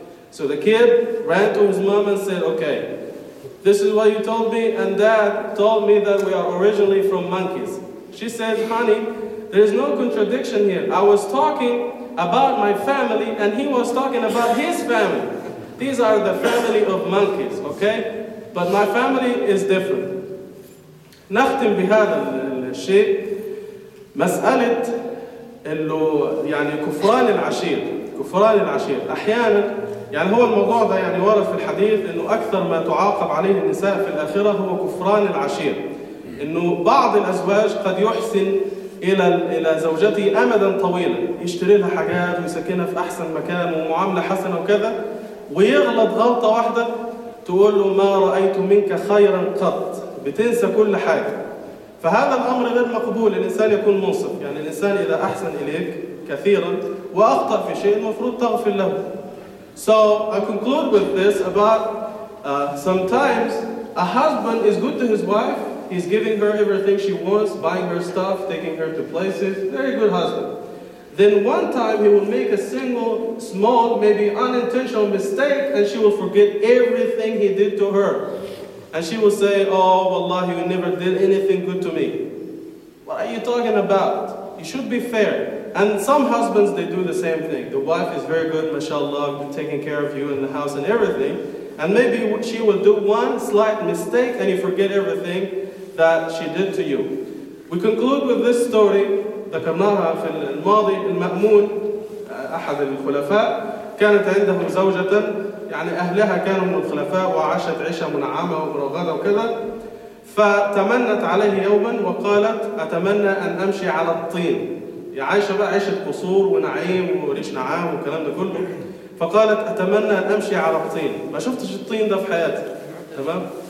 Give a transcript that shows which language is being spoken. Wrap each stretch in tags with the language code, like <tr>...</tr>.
<en>So the kid ran to his mom and said, okay, this is what you told me, and dad told me that we are originally from monkeys. She said, honey, there is no contradiction here. I was talking about my family, and he was talking about his family. These are the family of monkeys, okay? But my family is different.</en> <ar>نختم بهذا الشيء. مسألة إنه يعني كفران العشير، كفران العشير أحيانا يعني هو الموضوع ده يعني ورد في الحديث إنه أكثر ما تعاقب عليه النساء في الآخرة هو كفران العشير، إنه بعض الأزواج قد يحسن إلى زوجته أمدا طويلا، يشتري لها حاجات ويسكنها في أحسن مكان ومعاملة حسنة وكذا، ويغلط غلطة واحدة تقول له ما رأيت منك خيرا قط، بتنسى كل حاجة. فهذا الأمر غير مقبول. الإنسان يكون منصف، يعني الإنسان إذا أحسن إليك كثيرا وأخطأ في شيء المفروض تغفر له.</ar> <en>So I conclude with this about sometimes a husband is good to his wife. He's giving her everything she wants, buying her stuff, taking her to places. Very good husband. Then one time he will make a single, small, maybe unintentional mistake and she will forget everything he did to her. And she will say, oh, wallahi, you never did anything good to me. What are you talking about? You should be fair. And some husbands, they do the same thing. The wife is very good, mashallah, taking care of you in the house and everything. And maybe she will do one slight mistake and you forget everything that she did to you. We conclude with this story.</en> <ar>ذكرناها في الماضي المأمون أحد الخلفاء كانت عنده زوجة يعني أهلها كانوا من الخلفاء وعاشت عيشة منعمة ومرغدة وكذا فتمنت عليه يوما وقالت أتمنى أن أمشي على الطين عايشة بقى عيشة قصور ونعيم وريش نعام وكلام ده كله فقالت أتمنى أن أمشي على الطين ما شفتش الطين ده في حياتي تمام؟</ar>